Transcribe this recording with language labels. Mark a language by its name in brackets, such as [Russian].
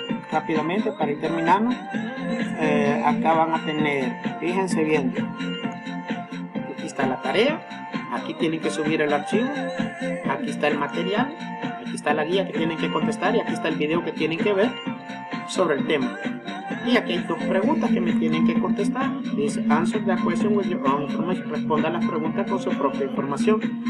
[Spanish] Rápidamente, para ir terminando. Acá van a tener, fíjense bien. Aquí está la tarea. Aquí tienen que subir el archivo. Aquí está el material. Aquí está la guía que tienen que contestar. Y aquí está el video que tienen que ver sobre el tema. Y aquí hay dos preguntas que me tienen que contestar. Dice, [English] answer the question with your own information. [Spanish] Responda a las preguntas con su propia información.